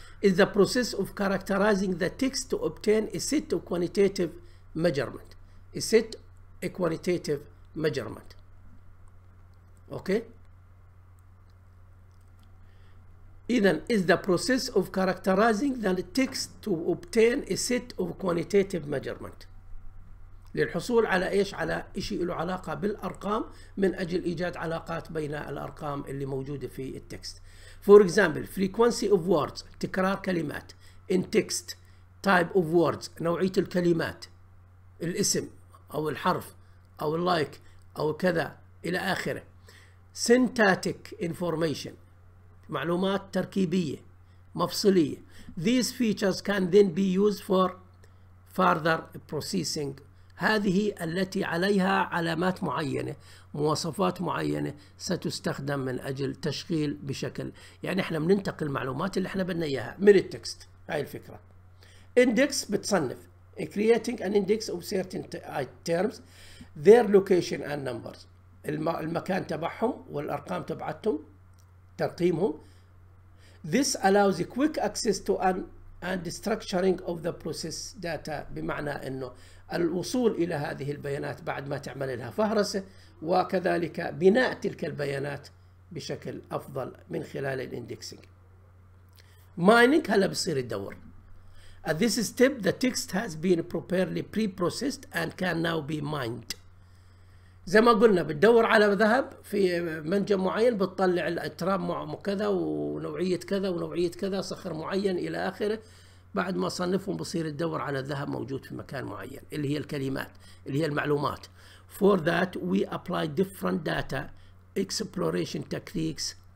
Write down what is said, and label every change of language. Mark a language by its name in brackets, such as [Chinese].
[English] It's the process of characterizing the text to obtain a set of quantitative measurement. A set of quantitative measurement. [Arabic] اوكي؟ إذا [English] is the process of characterizing the text to obtain a set of quantitative measurement. [Arabic] للحصول على ايش؟ على شيء له علاقة بالأرقام من أجل إيجاد علاقات بين الأرقام اللي موجودة في التكست. [English] For example, frequency of words [Arabic] تكرار كلمات. [English] In text, type of words [Arabic] نوعية الكلمات. الاسم أو الحرف أو اللايك أو كذا إلى آخره. [English] Syntactic information [Arabic] معلومات تركيبية مفصلية. [English] These features can then be used for further processing. [Arabic] هذه التي عليها علامات معينة، مواصفات معينة، ستستخدم من أجل تشغيل بشكل، يعني احنا بننتقل المعلومات اللي احنا بدنا اياها من التكست. هاي الفكرة. [English] Index [Arabic] بتصنف. [English] Creating an index of certain terms, their location and numbers. [Arabic] المكان تبعهم والأرقام تبعتهم، ترقيمهم. [English] This allows quick access to and structuring of the process data. [Arabic] بمعنى انه الوصول الى هذه البيانات بعد ما تعمل لها فهرسة، وكذلك بناء تلك البيانات بشكل افضل من خلال الاندكسنج. [English] Mining [Arabic] هلا بصير الدور. [English] At this step the text has been properly pre-processed and can now be mined. [Arabic] زي ما قلنا بتدور على ذهب في منجم معين، بتطلع الاتراب كذا ونوعية كذا ونوعية كذا، صخر معين إلى آخره. بعد ما صنفهم بصير تدور على الذهب موجود في مكان معين اللي هي الكلمات اللي هي المعلومات. [English] For that we apply different data exploration techniques.